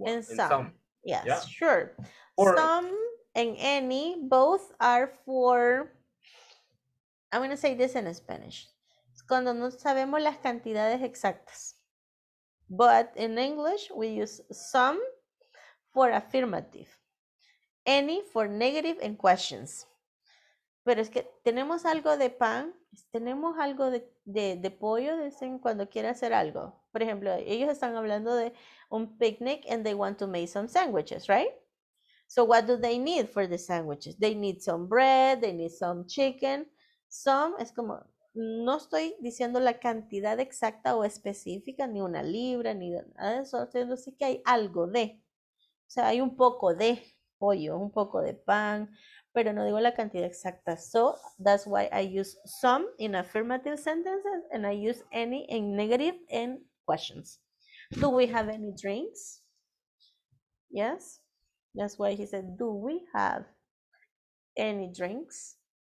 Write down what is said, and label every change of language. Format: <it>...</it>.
<en>And some. Yes, yeah? Sure. Or, some and any, both are for. I'm going to say this in Spanish. It's</en> <es>cuando no sabemos las cantidades exactas.</es> <en>But in English, we use some for affirmative, any for negative and questions.</en> <es>Pero es que tenemos algo de pan, tenemos algo de pollo, dicen cuando quiere hacer algo. Por ejemplo, ellos están hablando de un picnic</es> <en>and they want to make some sandwiches, right? So what do they need for the sandwiches? They need some bread, they need some chicken.</en> <es>Some es como... No estoy diciendo la cantidad exacta o específica, ni una libra, ni nada de eso. Estoy diciendo que hay algo de. O sea, hay un poco de pollo, un poco de pan, pero no digo la cantidad exacta.</es> <en>So, that's why I use some in affirmative sentences and I use any in negative and questions. Do we have any drinks? Yes. That's why he said, do we have any drinks?</en>